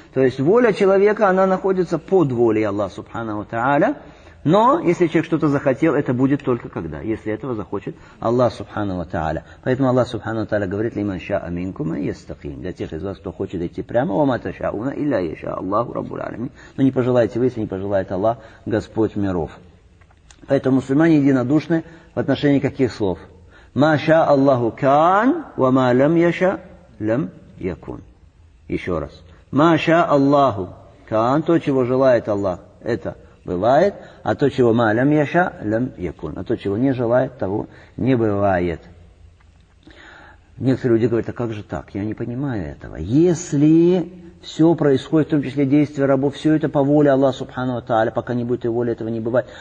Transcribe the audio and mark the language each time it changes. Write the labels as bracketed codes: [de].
[ru] То есть воля человека, она находится под волей Аллаха Субхану Тааля, но если человек что-то захотел, это будет только когда, если этого захочет Аллах Субхану Тааля. Поэтому Аллах Субхану Тааля говорит: [ar] «Лиман ша аминкума йастаким». [ru] Для тех из вас, кто хочет идти прямо, [ar] «Ва ма ташауна илля йаша Аллаху раббуль алямин». [ru] Но не пожелаете вы, если не пожелает Аллах, Господь миров. Поэтому мусульмане единодушны в отношении каких слов? [ar] ما شاء الله كان وما لم يشاء لم يكن. [ru] Еще раз. [ar] ما شاء الله كان, [ru] то, чего желает Аллах, это бывает, а то, чего [ar] ما لم يشاء لم يكن, [ru] а то, чего не желает, того не бывает. Некоторые люди говорят, а как же так? Я не понимаю этого. Если все происходит, в том числе действия рабов, все это по воле Аллаха Субхану ва Тааля, пока не будет и воли, этого не бывает.